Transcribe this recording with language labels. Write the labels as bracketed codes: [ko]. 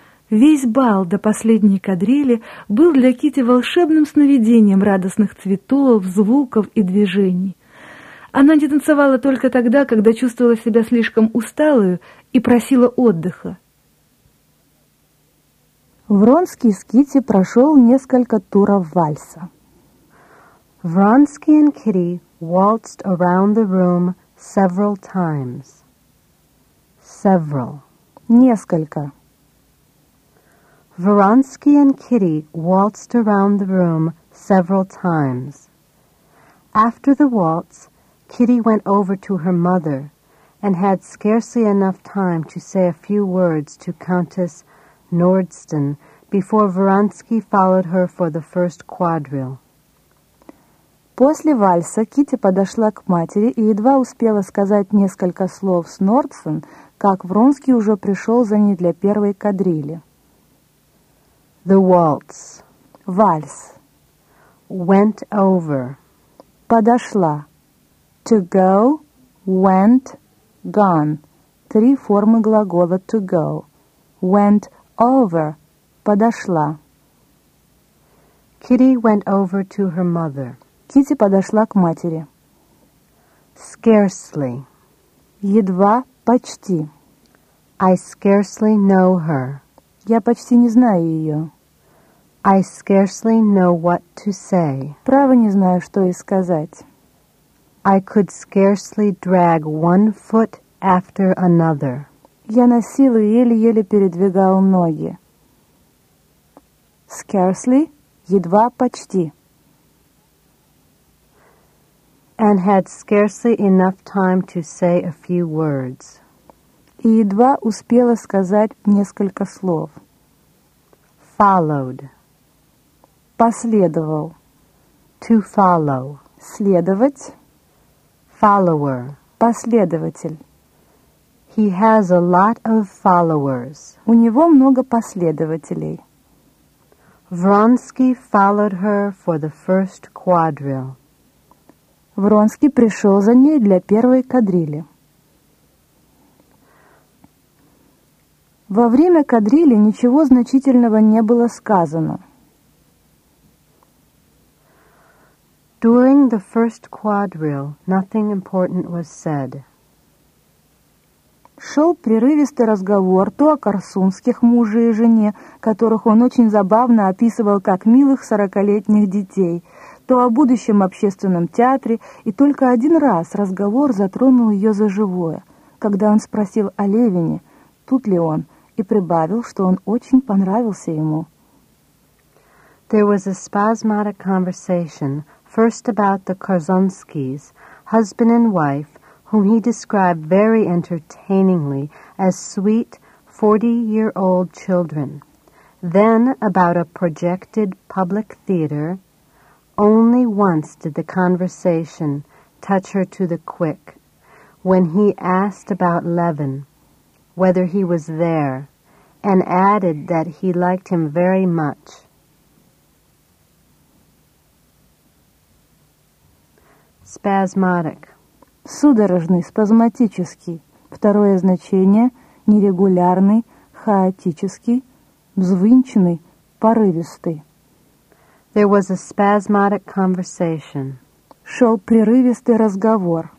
[ru] Весь бал до последней кадрили был для Кити волшебным сновидением радостных цветов, звуков и движений. Она не танцевала только тогда, когда чувствовала себя слишком усталую и просила отдыха. Вронский с Кити прошел несколько туров вальса. [en] Вронский and Kitty waltzed around the room several times. Several. Несколько. Вронский and Kitty waltzed around the room several times. After the waltz, Kitty went over to her mother and had scarcely enough time to say a few words to Countess Nordston before Вронский followed her for the first quadrille. [ru] После вальса Кити подошла к матери и едва успела сказать несколько слов с Нордстон, как Вронский уже пришел за ней для первой кадрили. [en] The waltz. [ru] Вальс. [en] Went over. [ru] Подошла. [en] To go. Went. Gone. [ru] Три формы глагола [en] to go. went over, подошла. Kitty went over to her mother. [ru] Kitty подошла к матери. [en] Scarcely. [ru] Едва, почти. [en] I scarcely know her. [ru] Я почти не знаю ее. [en] I scarcely know what to say. [ru] Право не знаю, что и сказать. [en] I could scarcely drag one foot after another. [ru] Я на силу еле-еле передвигал ноги. Scarcely, едва, почти. [en] And had scarcely enough time to say a few words. [ru] И едва успела сказать несколько слов. [en] Followed. [ru] Последовал. [en] To follow. [ru] Следовать. [en] Follower. [ru] Последователь. [en] He has a lot of followers. [ru] У него много последователей. [en] Вронский followed her for the first quadrille. [ru] Вронский пришел за ней для первой кадрили. Во время кадрили ничего значительного не было сказано. [en] During the first quadrille, nothing important was said. [ru] Шел прерывистый разговор то о корсунских муже и жене, которых он очень забавно описывал как милых 40-летних детей, то о будущем общественном театре, и только один раз разговор затронул ее за живое, когда он спросил о Левине, тут ли он, и прибавил, что он очень понравился ему. [en] There was a spasmodic conversation, first about the Korzonskis, husband and wife, whom he described very entertainingly as sweet 40-year-old children, then about a projected public theater. Only once did the conversation touch her to the quick, when he asked about Levin, whether he was there, and added that he liked him very much. Spasmodic. [ru] Судорожный, спазматический. Второе значение – нерегулярный, хаотический, взвинченный, порывистый. [en] There was a spasmodic conversation. [ru] Шел прерывистый разговор.